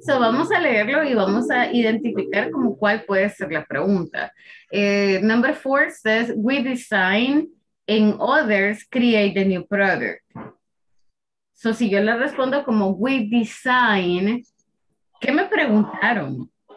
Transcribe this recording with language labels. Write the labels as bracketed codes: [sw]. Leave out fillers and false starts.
[es] So vamos a leerlo y vamos a identificar como cuál puede ser la pregunta. [en] Number four says, we design and others create the new product. [es] So si yo le respondo como [en] we design, [es] ¿qué me preguntaron?